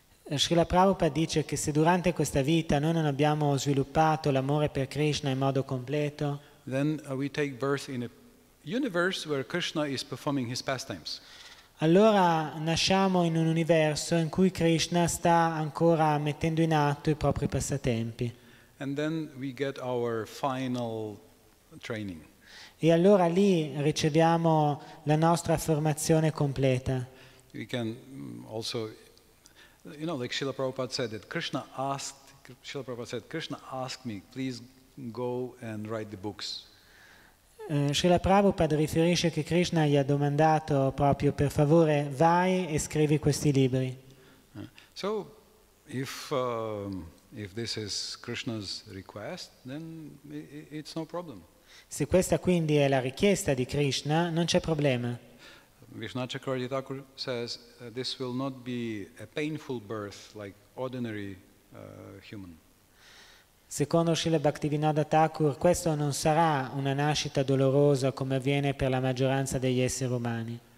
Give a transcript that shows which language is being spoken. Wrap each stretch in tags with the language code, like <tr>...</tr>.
<it>Srila Prabhupada dice che se durante questa vita noi non abbiamo sviluppato l'amore per Krishna in modo completo,</it> <en>then we take birth in a universe where Krishna is performing his pastimes.</en> <it>Allora nasciamo in un universo in cui Krishna sta ancora mettendo in atto i propri passatempi.</it> <en>And then we get our final training.</en> <it>E allora lì riceviamo la nostra formazione completa.</it> <en>We can also, you know, like Srila Prabhupada said that Krishna asked me, please go and write the books.</en> <it>Srila Prabhupada riferisce che Krishna gli ha domandato proprio, per favore vai e scrivi questi libri.</it> <en>So if this is Krishna's request, then it's no problem.</en> <it>Se questa quindi è la richiesta di Krishna, non c'è problema.</it> <en>Vishnachakravarti Thakur says this will not be a painful birth like ordinary human.</en> <it>Secondo Srila Bhaktivinoda Thakur, questo non sarà una nascita dolorosa come avviene per la maggioranza degli esseri umani.</it>